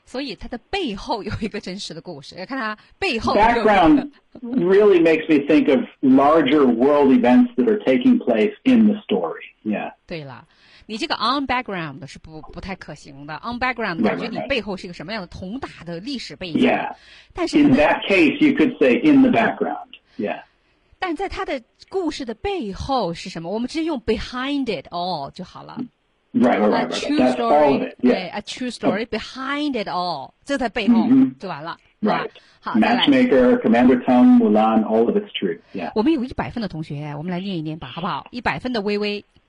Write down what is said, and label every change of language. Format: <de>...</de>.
<zh>所以它的背后有一个真实的故事。看它背后。</zh> <en>Background really makes me think of larger world events that are taking place in the story. Yeah.</en> <zh>对了。你这个</zh> <en>on background</en> <zh>是不太可行的 on background 感觉你背后是一个什么样的同大的历史背景</zh> <en>yeah</en> <zh>但是</zh> <en>in that case you could say in the background yeah</en> <zh>但在他的故事的背后是什么我们直接用</zh> <en>behind it all</en> <zh>就好了</zh> <en>Right, that's all of it. A true story behind it all.</en> <zh>这在背后、</zh> <en>mm-hmm.</en> <zh>就完了。</zh> <en>Right. Matchmaker, Commander Tung, Mulan, all of it's true. Yeah.</en> <zh>我们有100分的同学，我们来念一念吧，好不好？100分的微微。</zh>